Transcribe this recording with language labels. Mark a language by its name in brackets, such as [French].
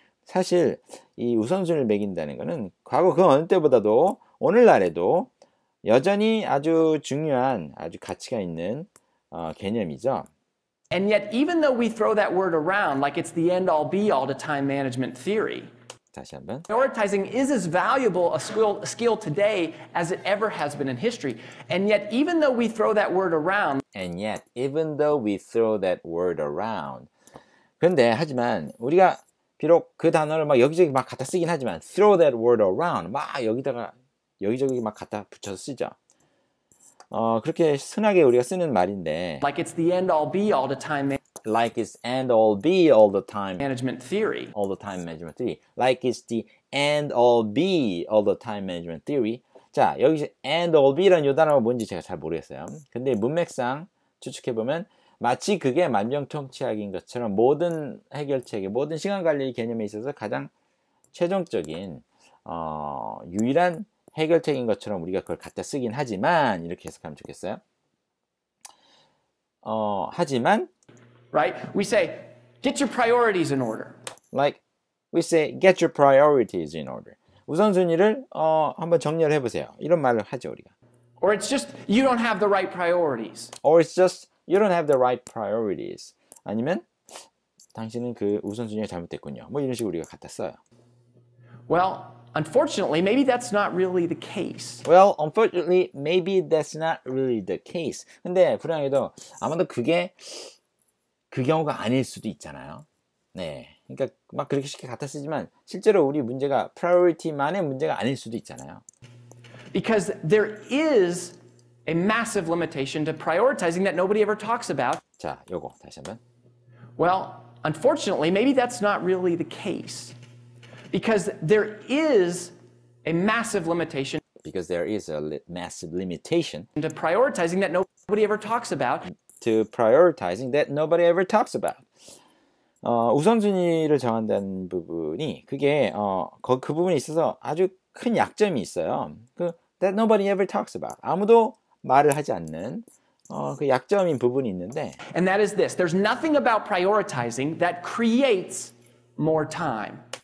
[Korean] 사실 이 우선순위를 매긴다는 것은 과거 그 어느 때보다도 오늘날에도 여전히 아주 중요한, 아주 가치가 있는 개념이죠. [English] And yet, even though we throw that word around, like it's the end-all, be-all to time management theory, [Korean] 다시 한번. [English] Prioritizing is as valuable a skill today as it ever has been in history. And yet, even though we throw that word around, And yet, even though we throw that word around, [Korean] 근데 하지만 우리가 비록 그 단어를 막 여기저기 막 갖다 쓰긴 하지만 [English] throw that word around, [Korean] 막 여기다가 여기저기 막 갖다 붙여서 쓰죠. 그렇게 순하게 우리가 쓰는 말인데 [English] Like it's the end all be all the time Like it's end all be all the time management theory All the time management theory Like it's the end all be all the time management theory 자, 여기서 end all be라는 [Korean] 요 단어가 뭔지 제가 잘 모르겠어요. 근데 문맥상 추측해보면 마치 그게 만병통치약인 것처럼 모든 해결책에 모든 시간 관리 개념에 있어서 가장 최종적인 유일한 해결책인 것처럼 우리가 그걸 갖다 쓰긴 하지만 이렇게 해석하면 좋겠어요. 하지만 [English] right we say get your priorities in order. Like we say get your priorities in order. [Korean] 우선순위를 한번 정리를 해 보세요. 이런 말을 하죠, 우리가. [English] Or it's just you don't have the right priorities. Or it's just you don't have the right priorities. [Korean] 아니면 당신은 그 우선순위가 잘못됐군요. 뭐 이런 식으로 우리가 갖다 써요. [English] Well, Unfortunately, maybe that's not really the case. Well, unfortunately, maybe that's not really the case. [Korean] 근데 불행하게도 아마도 그게 그 경우가 아닐 수도 있잖아요. 네, 그러니까 막 그렇게 쉽게 갖다 쓰지만 실제로 우리 문제가 priority만의 문제가 아닐 수도 있잖아요. [English] Because there is a massive limitation to prioritizing that nobody ever talks about. [Korean] 자, 요거 다시 한번. [English] Well, unfortunately, maybe that's not really the case. Because there is a massive limitation. Because there is a massive limitation. To prioritizing that nobody ever talks about. To prioritizing that nobody ever talks about. [Korean] 우선순위를 정한다는 부분이 그게 그 부분에 있어서 아주 큰 약점이 있어요. [English] 그 that nobody ever talks about. [Korean] 아무도 말을 하지 않는 그 약점인 부분이 있는데. [English] And that is this. There's nothing about prioritizing that creates more time.